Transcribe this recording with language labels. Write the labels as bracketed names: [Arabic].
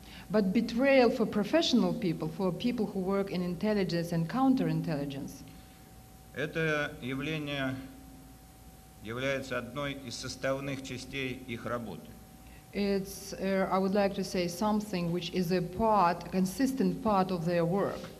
[English] But betrayal for professional people, for people who work in intelligence and counterintelligence. [Russian] Это явление является одной из составных частей их работы. [English] It's, I would like to say, something which is a part, a consistent part of their work.